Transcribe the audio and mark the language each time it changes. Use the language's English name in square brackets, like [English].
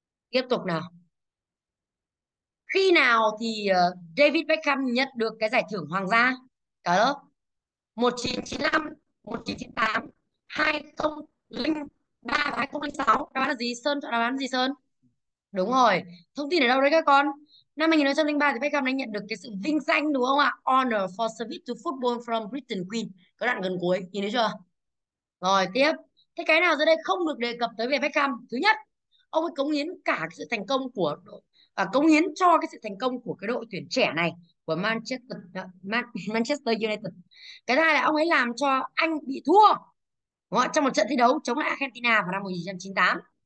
[Vietnamese] Tiếp tục nào. Khi nào thì David Beckham nhận được cái giải thưởng Hoàng gia? Cả lớp. 1995, 1998, 2003 và 2006. Đáp án là gì? Sơn chọn đáp án gì Sơn? Đúng rồi. Thông tin ở đâu đấy các con? Năm 2003 thì Beckham đã nhận được cái sự vinh danh đúng không ạ? [English] Honor for service to football from Britain Queen. [Vietnamese] Có đoạn gần cuối. Nhìn thấy chưa? Rồi tiếp. Thế cái nào dưới đây không được đề cập tới về Beckham? Thứ nhất, ông ấy cống hiến cả cái sự thành công của đội, cống hiến cho cái sự thành công của cái đội tuyển trẻ này của Manchester United. Cái thứ hai là ông ấy làm cho Anh bị thua trong một trận thi đấu chống lại Argentina vào năm 1998.